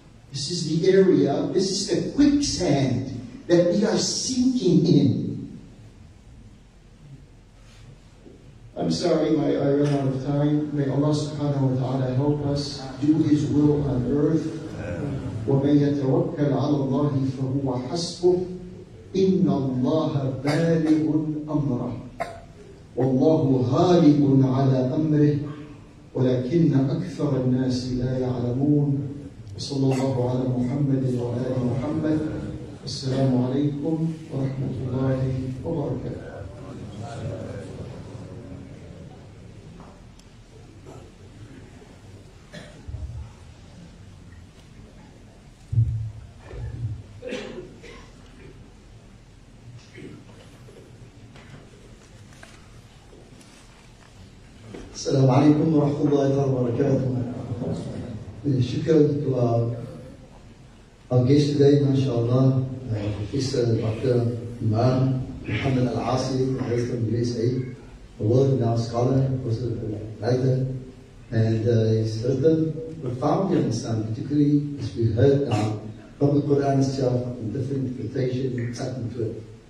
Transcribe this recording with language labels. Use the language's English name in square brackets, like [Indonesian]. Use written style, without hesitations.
[English] This is the area, this is the quicksand that we are sinking in. I'm sorry, I ran out of time. May Allah subhanahu wa ta'ala help us do His will on earth. [Arabic] وَمَنْ يَتَوَكَّلْ عَلَى اللَّهِ فَهُوَ حَسْبُهُ إِنَّ اللَّهَ بَالِغٌ أَمْرَهُ والله غالب على أمره ولكن أكثر الناس لا يعلمون صلى الله على محمد وعلى آل محمد السلام عليكم ورحمة الله وبركاته السلام عليكم ورحمة الله وبركاته. [English] شكرا to our guest today, mashallah, Professor Dr. Imam Muhammad Al Asi, based on USA, a world-renowned scholar, professor, writer, and he's written profoundly on Islam, particularly as we heard now from the Quran itself, in different interpretations and excitement to it.